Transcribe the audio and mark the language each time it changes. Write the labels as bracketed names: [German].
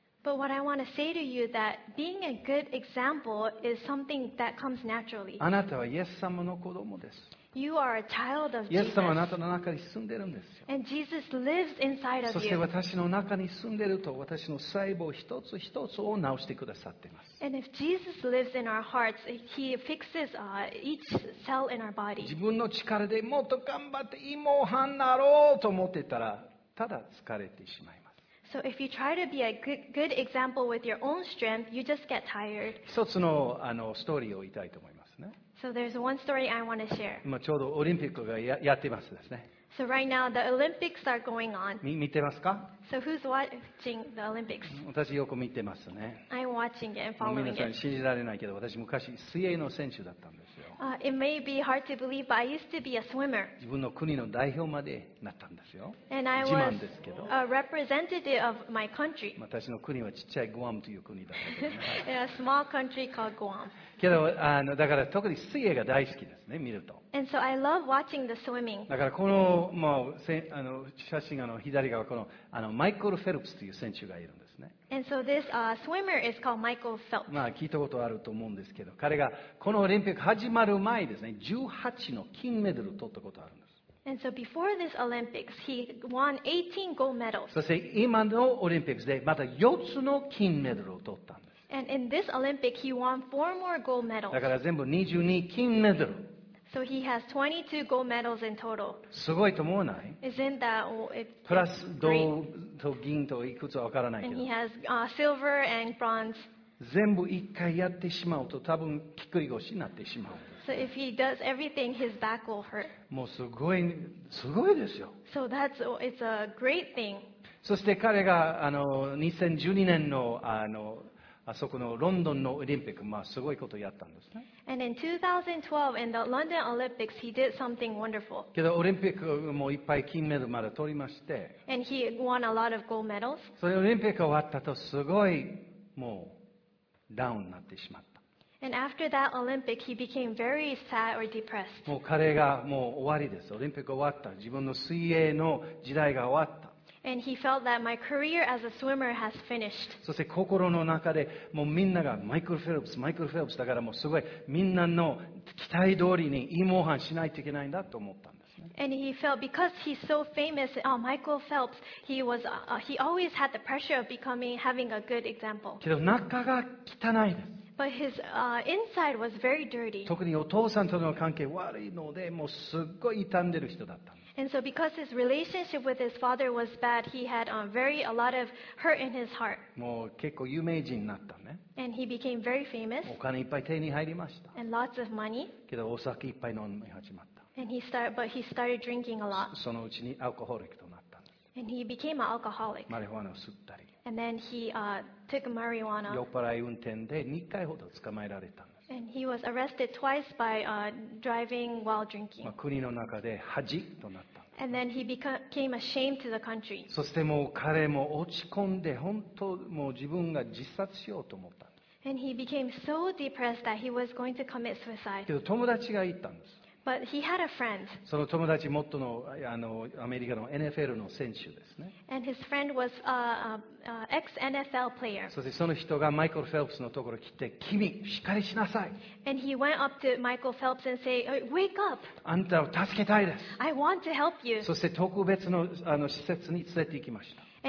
[English] But what I want to say to you that being a good example is something that comes naturally. [Japanese] あなたはイエス様の子供です。 [English] You are a child of [Japanese] Jesus. イエス様はあなたの中に住んでるんですよ。 [English] And Jesus lives inside of you. [Japanese] そして私の中に住んでると私の細胞一つ一つを治してくださっています。 [English] And if Jesus lives in our hearts, He fixes each cell in our body. [Japanese] 自分の力でもっと頑張っていい模範になろうと思ってたら、ただ疲れてしまいます。 [English] So if you try to be a good example with your own strength, you just get tired. [Japanese] 一つ のストーリーを言いたいと思いますね。 [English] So there's one story I want to share. [Japanese] 今ちょうどオリンピックが やってますですね。 [English] So right now the Olympics are going on. [Japanese] 見てますか？ [English] So who's watching the Olympics? [Japanese] 私よく見てますね。 [English] I'm watching it and following it. [Japanese] 皆さん信じられないけど、私昔水泳の選手だったんですよ。 [English] It may be hard to believe, but I used to be a swimmer. [Japanese] 自分の国の代表までなったんですよ。 [English] And I was a representative of my country. [Japanese] 私の国はちっちゃいグアムという国だったんですね。 [English] A small country called Guam. [Japanese] けど、だから特に水泳が大好きですね、見ると。 [English] And so I love watching the swimming. [Japanese] だからこの、まあ、写真の左側このマイケル・フェルプスという選手がいるんですね。 [English] And so this swimmer is called Michael Phelps. [Japanese] まあ聞いたことあると思うんですけど、彼がこのオリンピック始まる前ですね、18の金メダルを取ったことあるんです。 [English] And so before this Olympics, he won 18 gold medals. [Japanese] そして今のオリンピックでまた4つの金メダルを取ったんです。 [English] And in this Olympic, he won 4 more gold medals. [Japanese] だから全部22金メダル。 [English] So he has 22 gold medals in total. [Japanese] すごいと思わない？ [English] Isn't that [Japanese] プラス銅と銀といくつわからないけど。 [English] And he has silver and bronze. [Japanese] 全部一回やってしまうと多分ぎっくり腰になってしまう。 [English] So if he does everything, his back will hurt. [Japanese] もうすごい、すごいですよ。 [English] So that's it's a great thing. [Japanese] そして彼が2012年のあそこのロンドンのオリンピック、まあ、すごいことをやったんですね。 [English] And in 2012, in the London Olympics, he did something wonderful. [Japanese] けどオリンピックもいっぱい金メダルまで取りまして。 [English] And he won a lot of gold medals. [Japanese] それオリンピック終わったとすごいもうダウンになってしまった。 [English] And after that Olympic, he became very sad or depressed. [Japanese] もう彼がもう終わりです。オリンピック終わった。自分の水泳の時代が終わった。 [English] And he felt that my career as a swimmer has finished. [Japanese] そして心の中でもうみんながマイケル・フェルプス、マイケル・フェルプスだからもうすごいみんなの期待通りにいい模範しないといけないんだと思ったんですね。 [English] And he felt because he's so famous, Michael Phelps, he was he always had the pressure of becoming having a good example. [Japanese] けど中が汚いです。 [English] But his inside was very dirty. [Japanese] 特にお父さんとの関係悪いのでもうすごい傷んでる人だった。 [English] And so because his relationship with his father was bad, he had a lot of hurt in his heart. [Japanese] もう結構有名人になったね。 [English] And he became very famous. [Japanese] お金いっぱい手に入りました。 [English] And lots of money. [Japanese] けどお酒いっぱい飲み始まった。 [English] And he started drinking a lot. [Japanese] そのうちにアルコホリックとなったんです。 [English] And he became an alcoholic. [Japanese] マリファナを吸ったり。 [English] And then he took marijuana. [Japanese] 酔っ払い運転で2回ほど捕まえられたんです。 [English] And he was arrested twice by driving while drinking. [Japanese] 国の中で恥となった。 [English] And then he became ashamed to the country. [Japanese] そしてもう彼も落ち込んで本当もう自分が自殺しようと思った。 [English] And he became so depressed that he was going to commit suicide. [Japanese] けど友達が言ったんです。 [English] But he had a friend. [Japanese] その友達もっとのアメリカの NFL の選手ですね。 [English] And his friend was ex NFL player. [Japanese] そしてその人がマイケル・フェルプスのところに来て、君しっかりしなさい。 [English] And he went up to Michael Phelps and say, "Wake up!" [Japanese] あんたを助けたいです。 [English] I want to help you. [Japanese] そして特別の施設に連れて行きました。